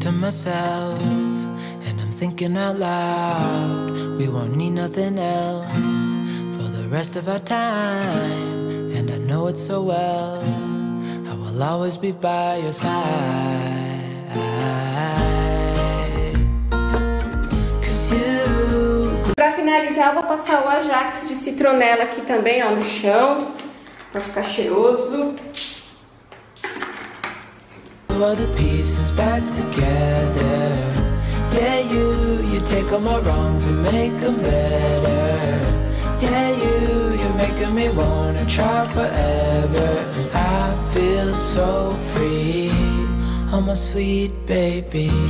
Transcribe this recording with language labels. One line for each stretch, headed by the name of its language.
English: Myself, and I'm thinking out loud, we won't need nothing else for the rest of our time, and I know it so well, I will always be by your side. Cause you...
Portuguese: Pra finalizar, eu vou passar o Ajax de citronela aqui também, ó, no chão, pra ficar cheiroso.
English: All the pieces back together. Yeah, you take all my wrongs and make them better. Yeah, you're making me wanna try forever. I feel so free, oh my sweet baby.